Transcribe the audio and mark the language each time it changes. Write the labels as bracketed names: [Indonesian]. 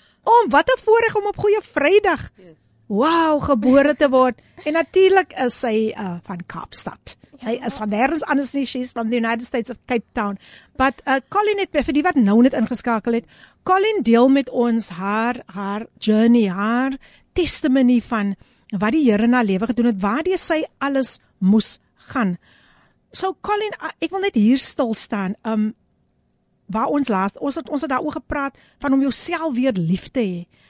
[Afrikaans] Om wat 'n voorreg om op Goeie Vrydag, wow, gebore te word. En natuurlik is sy van Kaapstad. Sy is van nergens anders nie, [English] she's from the United States of Cape Town. [Afrikaans] But Colin het, vir die wat nou net ingeskakel het, Colin deel met ons haar journey, haar testimony van wat die Here na lewe gedoen het, waardeur sy alles moes gaan. So Colin, ek wil net hier stilstaan, waar ons laatst, ons het daar oor gepraat van om jouself weer lief te hê.